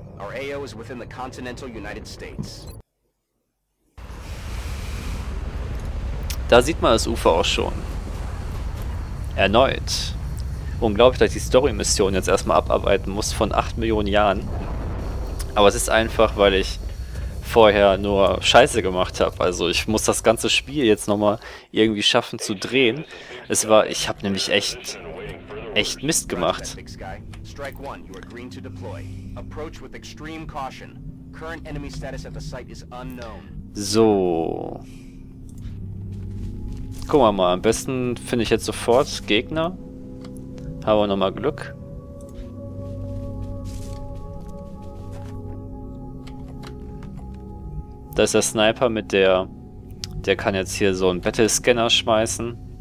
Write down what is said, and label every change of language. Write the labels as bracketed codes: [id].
[en] Our AO is within the continental United States. [de] Da sieht man das Ufer auch schon. Erneut. Unglaublich, dass ich die Story-Mission jetzt erstmal abarbeiten muss von 8 Millionen Jahren. Aber es ist einfach, weil ich vorher nur Scheiße gemacht habe. Also ich muss das ganze Spiel jetzt nochmal irgendwie schaffen zu drehen. Es war, ich habe nämlich echt Mist gemacht. [en] Strike 1, you are green to deploy. Approach with extreme caution. Current enemy status at the site is unknown. [de] So. Gucken wir mal, am besten finde ich jetzt sofort Gegner. Haben wir nochmal Glück. Da ist der Sniper mit der kann jetzt hier so einen Battle Scanner schmeißen.